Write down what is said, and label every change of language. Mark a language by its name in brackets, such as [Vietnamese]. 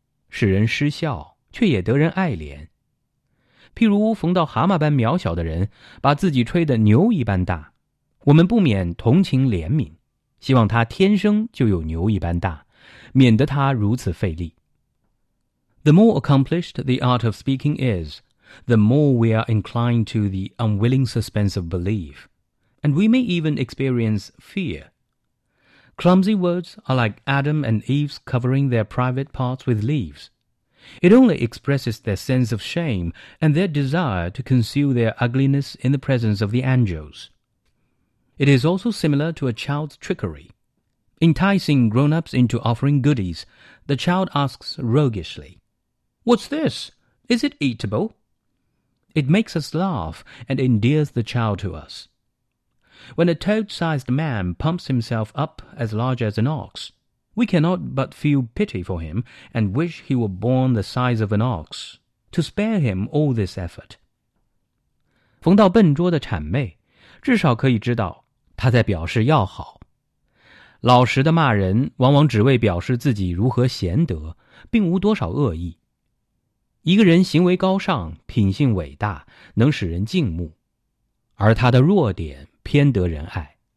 [Chinese] 使人失笑，却也得人爱怜。譬如逢到蛤蟆般渺小的人，把自己吹得牛一般大，我们不免同情怜悯，希望他天生就有牛一般大，免得他如此费力。 [English] The more accomplished the art of speaking is, the more we are inclined to the unwilling suspense of belief, and we may even experience fear. Clumsy words are like Adam and Eve's covering their private parts with leaves. It only expresses their sense of shame and their desire to conceal their ugliness in the presence of the angels. It is also similar to a child's trickery. Enticing grown-ups into offering goodies, the child asks roguishly,What's this? Is it eatable? It makes us laugh and endears the child to us. When a toad-sized man pumps himself up as large as an ox, we cannot but feel pity for him and wish he were born the size of an ox, to spare him all this effort. [Chinese] 逢到笨拙的谄媚，至少可以知道他在表示要好。老实的骂人，往往只为表示自己如何贤德，并无多少恶意。一个人行为高尚，品性伟大，能使人敬慕，而他的弱点偏得人爱。